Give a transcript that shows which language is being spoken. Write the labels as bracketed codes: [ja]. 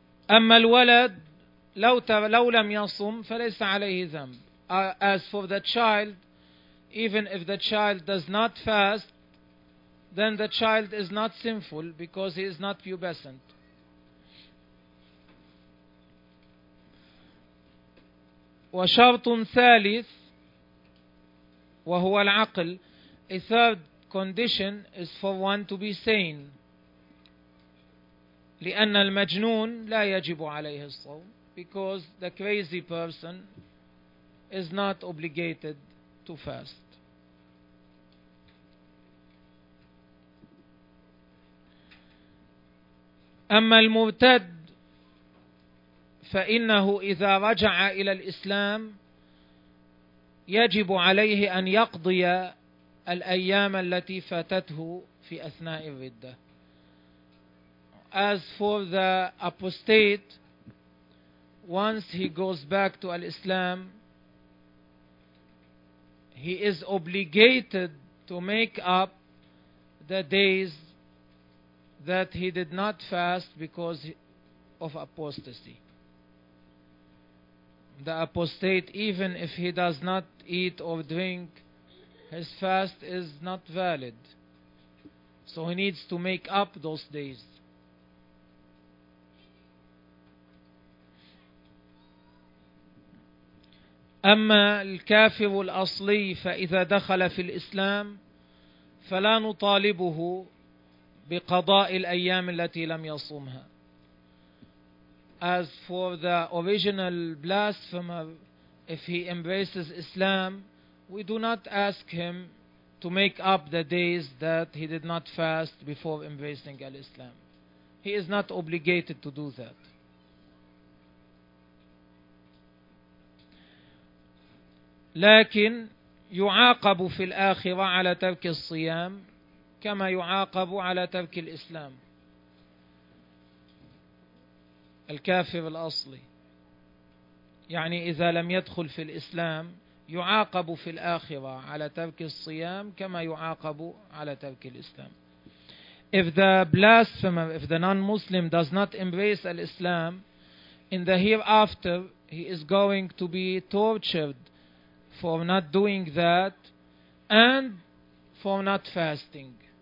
[ar] أما الولد لو لم يصم فليس عليه ذنب. [en] As for the child, even if the child does not fast, then the child is not sinful because he is not pubescent. [ar] وشرط ثالث وهو العقل. [en] A third condition is for one to be sane. [ar] لأن المجنون لا يجب عليه الصوم. [en] Because the crazy person is not obligated to fast. [ar] أما المرتد فإنه إذا رجع إلى الإسلام يجب عليه أن يقضي الأيام التي فاتته في أثناء الردة. [en] As for the apostate, once he goes back to al-Islam, he is obligated to make up the days that he did not fast because of apostasy. The apostate, even if he does not eat or drink, his fast is not valid. So he needs to make up those days. [ar] أما الكافر الأصلي فإذا دخل في الإسلام فلا نطالبه بقضاء الأيام التي لم يصومها. [en] As for the original blasphemer, if he embraces Islam, we do not ask him to make up the days that he did not fast before embracing Islam. He is not obligated to do that. [ar] لكن يعاقب في الآخرة على ترك الصيام كما يعاقب على ترك الإسلام الكافر الأصلي، يعني إذا لم يدخل في الإسلام يعاقب في الآخرة على ترك الصيام كما يعاقب على ترك الإسلام. [en] If the blasphemer, if the non-Muslim does not embrace al-Islam, in the hereafter he is going to be tortured for not doing that and for not fasting.